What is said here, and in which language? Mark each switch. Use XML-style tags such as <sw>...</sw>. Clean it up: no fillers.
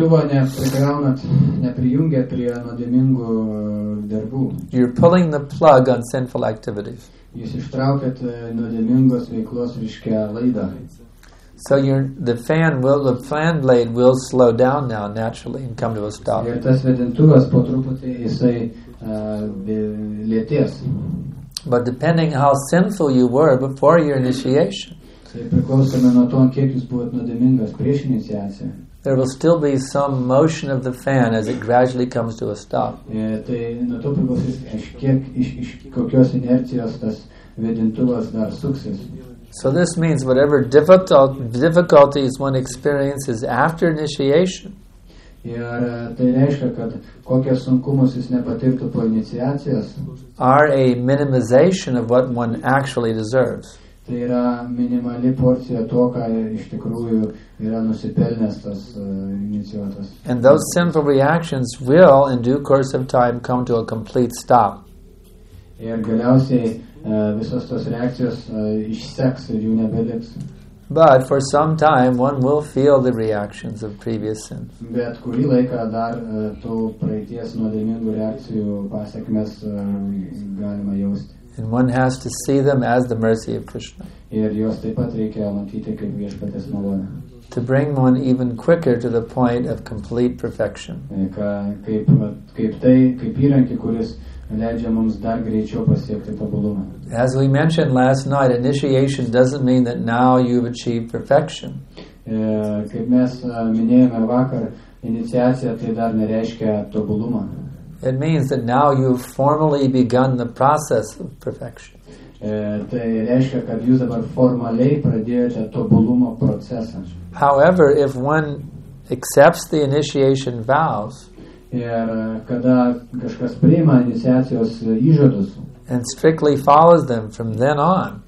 <lt>neprijungiat prie nuodėmingų darbų.</lt> <en>You're pulling the plug on sinful activities.</en> <lt>Jūs ištraukiat nuodėmingos veiklos reiškia laidą.</lt> <en>So the fan blade will slow down now naturally and come to a stop.</en> <lt>Ir tas vėdintuvas po truputį jisai lėtės.</lt> <en>But depending how sinful you were before your initiation,</en> <lt>tai priklausome nuo to, kiek jūs buvot nuodėmingas prieš iniciaciją,</lt> <en>there will still be some motion of the fan as it gradually comes to a stop.</en> <lt>Tai nuo to priklausys, iš kokios inercijos tas vėdintuvas dar suksis.</lt> <en>So this means whatever difficulties one experiences after initiation,</en> <lt>ir tai reiškia, kad kokios sunkumus jis nepatirtų po iniciacijos,</lt> <en>are a minimization of what one actually deserves.</en> <lt>Tai yra minimali porcija to, ką iš tikrųjų yra nusipelnęs tas inicijuotas.</lt> <en>And those sinful reactions will, in due course of time, come to a complete stop.</en> <lt>Ir galiausiai visos tos reakcijos išseks ir jų nebeliks.</lt> <en>But for some time one will feel the reactions of previous sins.</en> <lt>Bet kurį laiką dar tų praeities nuodėmingų reakcijų pasekmes galima jausti.</lt> <en>And one has to see them as the mercy of Krishna.</en> <lt>Ir jos taip pat reikia matyti kaip viešpatės malonę.</lt> <en>To bring one even quicker to the point of complete perfection.</en> <lt>Kaip įrankį, kuris leidžia mums dar greičiau pasiekti tobulumą.</lt> <en>As we mentioned last night, initiation doesn't mean that now you've achieved perfection.</en> <lt>Kaip mes minėjome vakar, iniciacija tai dar nereiškia tobulumą.</lt> <en>It means that now you've formally begun the process of perfection.</en> <lt>Tai reiškia, kad jūs dabar formaliai pradėjote tobulumo procesą.</lt> <en>However, if one accepts the initiation vows,</en> <lt>ir kada kažkas priima iniciacijos įžadus,</lt> <en>and strictly follows them from then on,</en>